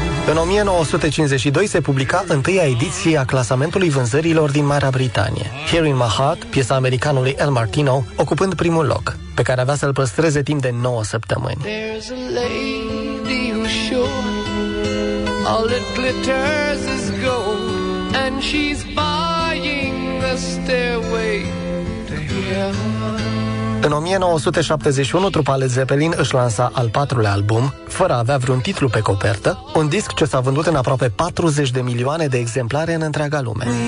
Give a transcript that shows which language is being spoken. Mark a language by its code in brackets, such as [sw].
[ro] În 1952 se publica întâia ediție a clasamentului vânzărilor din Marea Britanie. Here in My Heart, piesa americanului El Martino, ocupând primul loc, pe care avea să-l păstreze timp de 9 săptămâni. [en] There's a lady who's sure all it glitters is gold, and she's buying the stairway to heaven. [ro] În 1971, trupa Led Zeppelin își lansa al patrulea album, fără a avea vreun titlu pe copertă, un disc ce s-a vândut în aproape 40 de milioane de exemplare în întreaga lume.